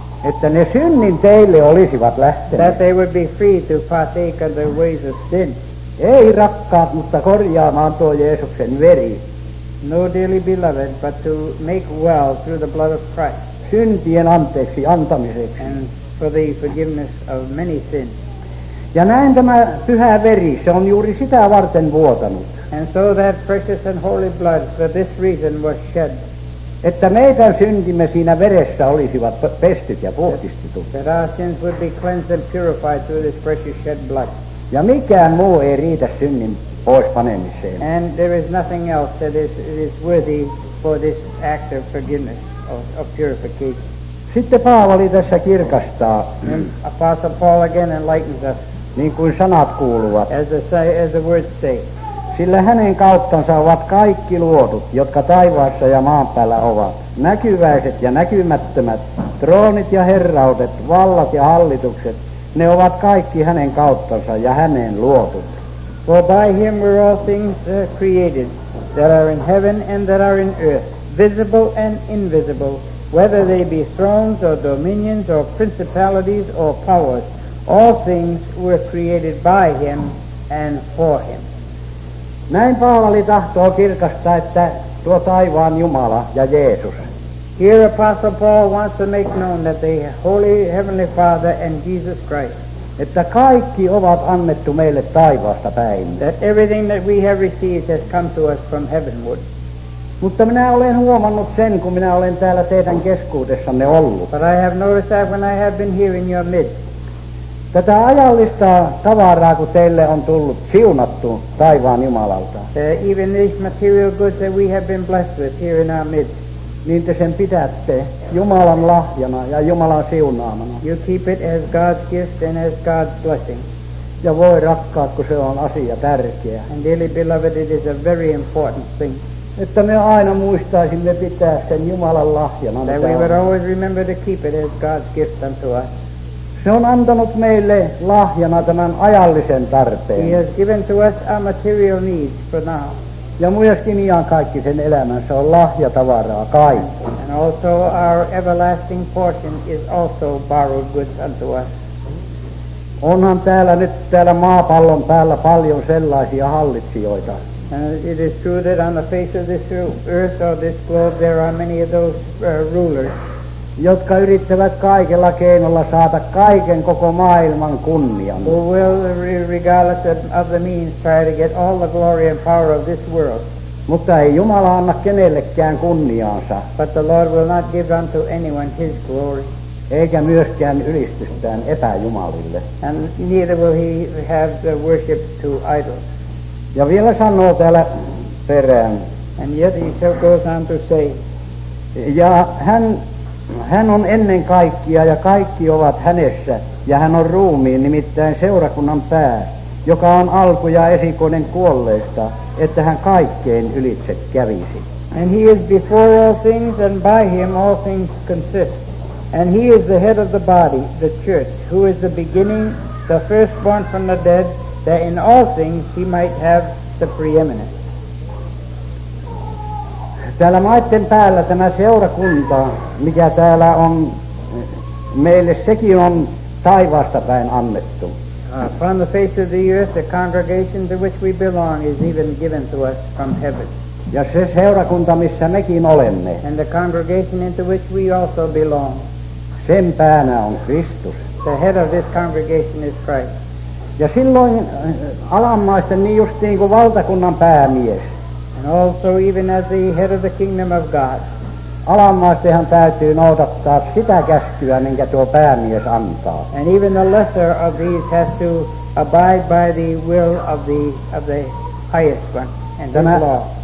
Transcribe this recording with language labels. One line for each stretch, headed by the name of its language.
Finnish: Että ne synnin teille olisivat lähteneet.
English: That they would be free to partake of the ways of sin.
Finnish: Ei rakkaat, mutta korjaamaan tuo Jeesuksen veri.
English: No, dearly beloved, but to make well through the blood of Christ.
Finnish: Syntien anteeksi antamiseksi.
English: And for the forgiveness of many sins.
Finnish: Ja näin tämä pyhä veri, se on juuri sitä varten vuotanut.
English: And so that precious and holy blood for this reason was shed.
Finnish: Että meidän syntimme siinä veressä olisivat pestyt ja puhdistetut.
English: That our sins would be cleansed and purified through this precious shed blood.
Finnish: Ja mikään muu ei riitä synnin pois panemiseen.
English: And there is nothing else that is worthy for this act of forgiveness, of purification.
Finnish: Sitten Paavali tässä kirkastaa.
English: And Apostle Paul again enlightens us.
Finnish: Niin kuin sanat kuuluvat.
English: As the words say.
Finnish: Sillä hänen kauttansa ovat kaikki luotut, jotka taivaassa ja maan päällä ovat. Näkyväiset ja näkymättömät, troonit ja herraudet, vallat ja hallitukset, ne ovat kaikki hänen kauttansa ja hänen luotut.
English: For by him were all things created, that are in heaven and that are in earth, visible and invisible, whether they be thrones or dominions or principalities or powers, all things were created by him and for him.
Finnish: Näin Paavali tahtoo kirkastaa, että tuo taivaan Jumala ja Jeesus.
English: Here Apostle Paul wants to make known that the Holy Heavenly Father and Jesus Christ.
Finnish: Että kaikki ovat annettu meille taivaasta päin.
English: That everything that we have received has come to us from heavenward.
Finnish: Mutta minä olen huomannut sen, kun minä olen täällä teidän keskuudessanne ollut.
English: But I have noticed that when I have been here in your midst.
Finnish: Tätä ajallista tavaraa, kun teille on tullut siunattu taivaan Jumalalta.
English: Even these material goods that we have been blessed with here in our midst.
Finnish: Niin te sen pidätte Jumalan lahjana ja Jumalan siunaamana.
English: You keep it as God's gift and as God's blessing.
Finnish: Ja voi rakkaat, kun se on asia tärkeä.
English: And dearly beloved, it is a very important thing.
Finnish: Että me aina muistaisimme pitää sen Jumalan lahjana.
English: That we would always remember to keep it as God's gift unto us.
Finnish: Se on antanut meille lahjana tämän ajallisen tarpeen.
English: He has given to us our material needs for now.
Finnish: Ja myöskin ihan kaikki sen elämänsä on lahja tavaraa kaikki.
English: And also our everlasting portion is also borrowed goods unto us.
Finnish: Onhan täällä nyt täällä maapallon päällä paljon sellaisia hallitsijoita.
English: And it is true that on the face of this earth or this globe there are many of those rulers.
Finnish: Jotka yrittävät kaikella keinolla saada kaiken koko maailman kunnian.
English: Who will, regardless of the means, try to get all the glory and power of this world.
Finnish: Mutta ei Jumala anna kenellekään kunniaansa.
English: But the Lord will not give unto anyone his glory.
Finnish: Eikä myöskään ylistystään epäjumalille.
English: And neither will he have the worship to idols.
Finnish: Ja vielä sanoo täällä perään.
English: And yet he so goes on to say.
Finnish: Ja hän on ennen kaikkia ja kaikki ovat hänessä ja hän on ruumiin, nimittäin seurakunnan pää, joka on alku ja esikoinen kuolleista, että hän kaikkein ylitse kävisi.
English: And he is before all things and by him all things consist. And he is the head of the body, the church, who is the beginning, the firstborn from the dead, that in all things he might have the preeminence.
Finnish: Täällä maitten päällä tämä seurakunta, mikä täällä on, meille sekin on taivaasta päin annettu.
English: From the face of the earth, the congregation to which we belong is even given to us from heaven.
Finnish: Ja se seurakunta, missä mekin olemme.
English: And the congregation into which we also belong.
Finnish: Sen päänä on Kristus.
English: The head of this congregation is Christ.
Finnish: Ja silloin alamaisten niin justiin kuin valtakunnan päämies.
English: And also even as the head of the kingdom of God.
Finnish: Alamaistenhan täytyy noudattaa sitä käskyä, minkä tuo päämies antaa.
English: And even the lesser of these has to abide by the will of the highest one and the law.